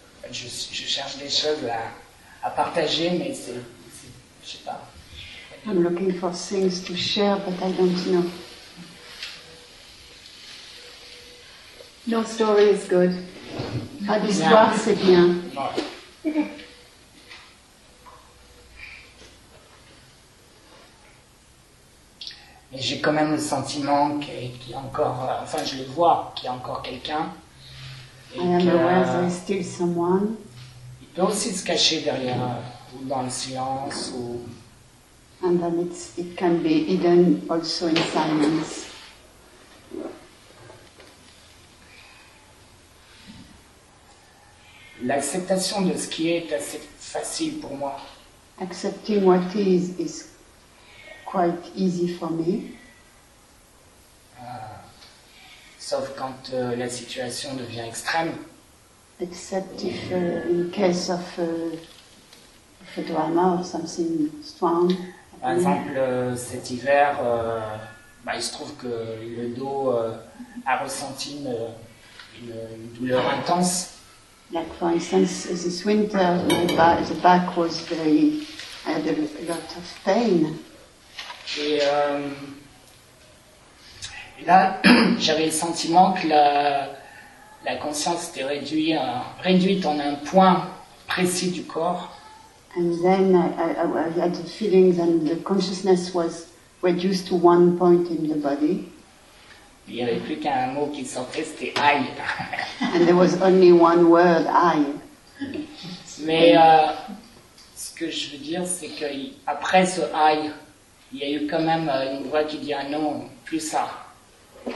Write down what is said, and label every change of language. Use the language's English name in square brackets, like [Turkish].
[French] Je cherche des choses à partager, mais c'est je sais pas. [English] I'm looking for things to share, but I don't know. No story is good. [French] Pas d'histoire, c'est bien. Mais j'ai quand même le sentiment qu'il y a encore, enfin je le vois, qu'il y a encore quelqu'un. [English] I am aware there is still someone. [French] Il peut aussi se cacher derrière, ou dans le silence, ou... [English] And then it can be hidden also in silence. [French] L'acceptation de ce qui est assez facile pour moi. [English] Accepting what is quite easy for me. [French] Sauf quand la situation devient extrême. [English] Except if in case of a drama or something strong. [French] Par exemple, cet hiver, il se trouve que le dos a ressenti une douleur intense. [English] Like for instance, this winter, the back was very, I had a lot of pain. [French] Et là, j'avais le sentiment que la conscience était réduite en un point précis du corps. [English] And then I had the feeling that the consciousness was reduced to one point in the body. [French] Il n'y avait plus qu'un mot qui sortait, c'était « aïe ». [English] And there was only one word « aïe ». [French] Mais ce que je veux dire, c'est qu'après ce « aïe », il y a eu quand même une voix qui dit « non, plus ça ».